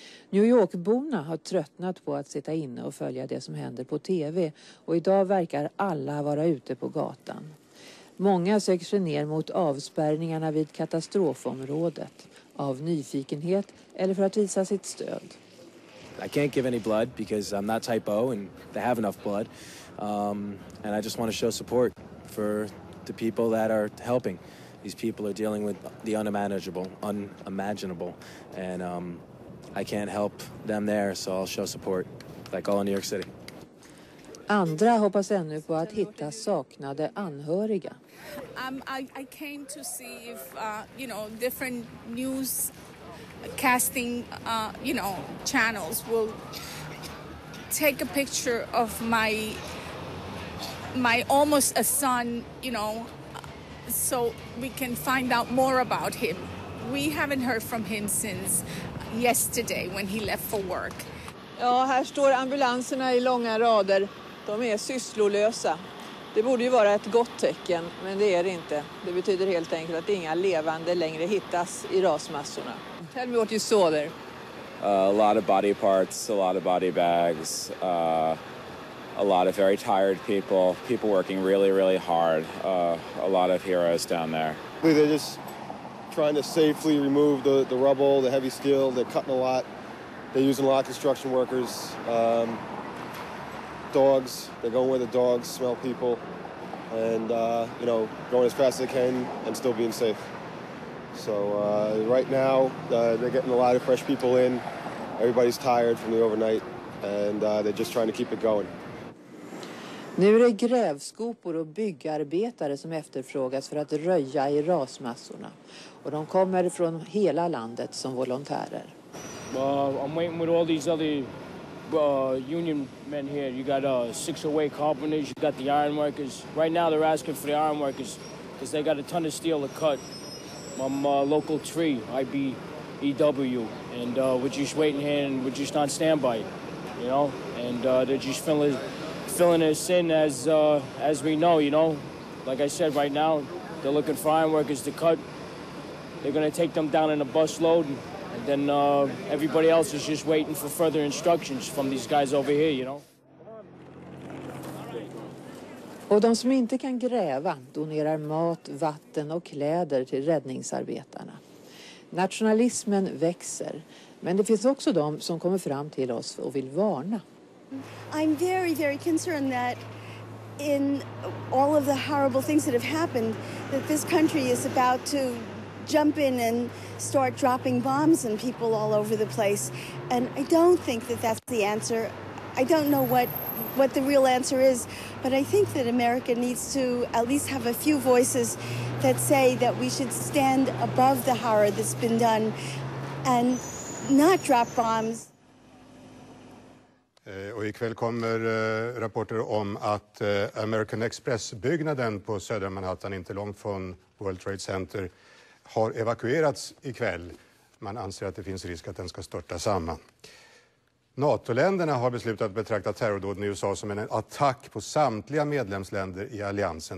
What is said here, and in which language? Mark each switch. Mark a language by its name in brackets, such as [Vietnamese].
[Swedish] New York-borna har tröttnat på att sitta inne och följa det som händer på tv och idag verkar alla vara ute på gatan. Många söker sig ner mot avspärrningarna vid katastrofområdet av nyfikenhet eller för att visa sitt stöd. [English] I can't give any blood because I'm not type O and they have enough blood. And I just want to show support for the people that are helping. These people are dealing with the unimaginable and I can't help them there, so I'll show support like all in New York City. [Swedish] Andra hoppas ännu på att hitta saknade anhöriga. [English] I came to see if you know, different news casting you know, channels will take a picture of my almost a son, you know, so we can find out more about him. We haven't heard from him since yesterday when he left for work. [Swedish] Ja, här står ambulanserna i långa rader. De är sysslolösa. Det borde ju vara ett gott tecken, men det är det inte. Det betyder helt enkelt att inga levande längre hittas i rasmassorna. [English] Tell me what you saw there. A lot of body parts, a lot of body bags, a lot of very tired people, people working really, really hard. A lot of heroes down there. They're just trying to safely remove the rubble, the heavy steel. They're cutting a lot. They're using a lot of construction workers. Dogs. They're going where the dogs smell people, and you know, going as fast as they can and still being safe. So right now they're getting a lot of fresh people in. Everybody's tired from the overnight, and they're just trying to keep it going. [Swedish] Nu är det grävskopor och byggarbetare som efterfrågas för att röja i rasmassorna. Och de kommer från hela landet som volontärer. [English] I'm waiting with all these other union men here. You got 608 carpenters, you got the iron workers. Right now they're asking for the iron workers because they got a ton of steel to cut. I'm local tree, IBEW, and we're just waiting here and we're just on standby, you know? And they're just filling us in as we know, you know. Like I said, right now they're looking for iron workers to cut. They're going to take them down in a bus load, and then everybody else is just waiting for further instructions from these guys over here, you know. [Swedish] Och de som inte kan gräva donerar mat, vatten och kläder till räddningsarbetarna. Nationalismen växer, men det finns också de som kommer fram till oss och vill varna. [English] I'm very, very concerned that in all of the horrible things that have happened, that this country is about to jump in and start dropping bombs on people all over the place. And I don't think that that's the answer. I don't know what the real answer is, but I think that America needs to at least have a few voices that say that we should stand above the horror that's been done and not drop bombs. [Swedish] Och ikväll kommer rapporter om att American Express-byggnaden på södra Manhattan, inte långt från World Trade Center, har evakuerats ikväll. Man anser att det finns risk att den ska störta samman. NATO-länderna har beslutat att betrakta terrordåden i USA som en attack på samtliga medlemsländer i alliansen.